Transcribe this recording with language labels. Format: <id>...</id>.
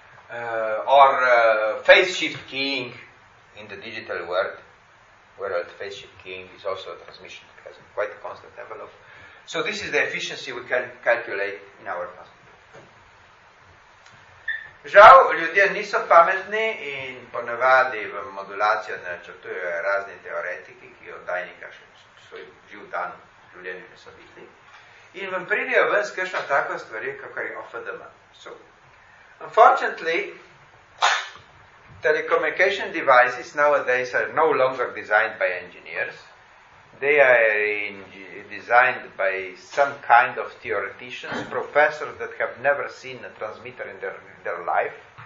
<en>Or phase shift keying in the digital world, where the phase shift keying is also a transmission, it has a quite constant envelope. So this is the efficiency we can calculate in our transmitter.</en> <sl>Žal, ljudje niso pametni in ponavadi v modulacijo načrtujejo razni teoretiki, ki oddajnika še svoj živ dan v življenju niso videli. In vam pridejo ven s kakšno tako stvari, kakor je OFDM.</sl> <en>So, unfortunately, telecommunication devices nowadays are no longer designed by engineers. They are designed by some kind of theoreticians, professors that have never seen a transmitter in their life.</en>